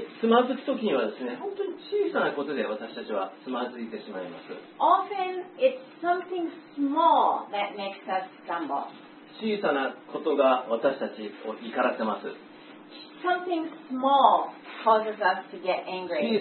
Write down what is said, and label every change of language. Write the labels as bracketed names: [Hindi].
[Japanese] 本当につまずくときにはですね、本当に小さなことで私たちはつまずいてしまいます。 [English] Often it's something small that makes us stumble. [Japanese] 小さなことが私たちを怒らせます。 [English] Something small causes us to get angry.